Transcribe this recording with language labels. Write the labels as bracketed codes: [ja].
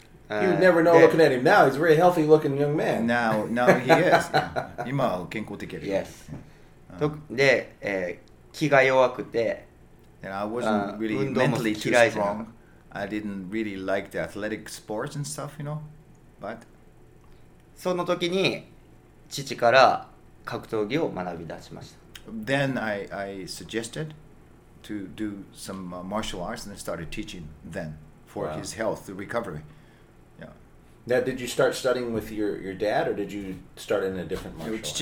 [en] You never know looking at him now. He's a very healthy looking young man. Now he is. [ja] 今は健康的です。 Yes. で、気が弱くて、 [en] and I wasn't really mentally too strong. I didn't really like the athletic sports and stuff, you know. But [ja] その時に父から格闘技を学び出しました。 [en] Then I suggested to do some martial arts and I started teaching then for his health, the recovery. Now, did you start studying with your dad, or did you start in a different martial arts?